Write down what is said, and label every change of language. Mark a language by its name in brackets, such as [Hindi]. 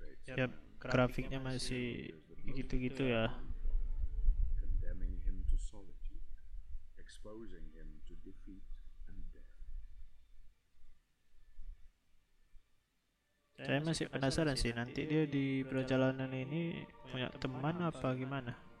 [Indonesian] Ya, grafiknya masih gitu-gitu ya. [English] Condemning him to solitude, exposing him to defeat and death. [Indonesian] Saya masih penasaran sih, nanti dia di perjalanan ini punya teman apa gimana?